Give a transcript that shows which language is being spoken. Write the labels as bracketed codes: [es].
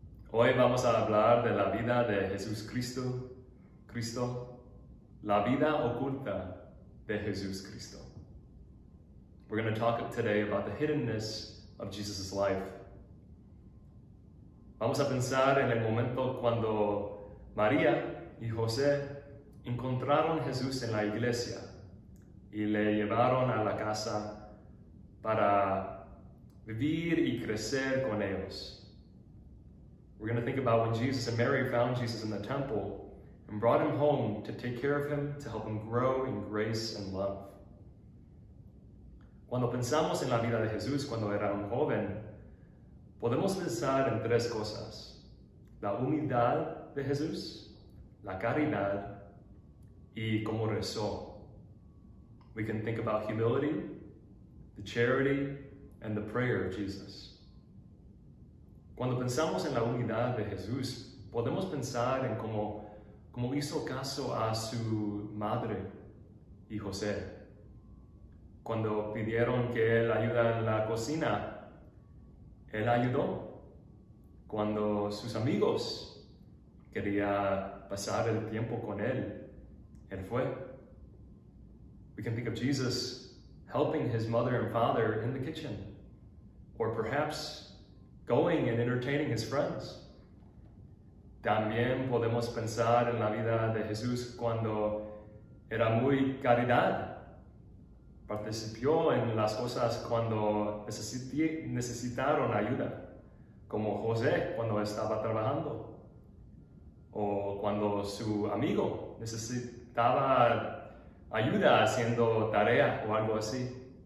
[es] Hoy vamos a hablar de la vida de Jesucristo, la vida oculta de Jesucristo. [en] We're going to talk today about the hiddenness of Jesus' life. [es] Vamos a pensar en el momento cuando María y José encontraron a Jesús en la iglesia y le llevaron a la casa para vivir y crecer con ellos. [en] We're going to think about when Jesus and Mary found Jesus in the temple and brought him home to take care of him, to help him grow in grace and love. [es] Cuando pensamos en la vida de Jesús cuando era un joven, podemos pensar en tres cosas: la humildad de Jesús, la caridad y cómo rezó. [en] We can think about humility, the charity, and the prayer of Jesus. [es] Cuando pensamos en la humildad de Jesús, podemos pensar en cómo hizo caso a su madre y José. Cuando pidieron que él ayudara en la cocina, él ayudó. Cuando sus amigos querían pasar el tiempo con él, él fue. [en] We can think of Jesus helping his mother and father in the kitchen, or perhaps going and entertaining his friends. [es] También podemos pensar en la vida de Jesús cuando era muy caridad. Participó en las cosas cuando necesitaron ayuda, como José cuando estaba trabajando, o cuando su amigo necesitaba ayuda haciendo tarea o algo así.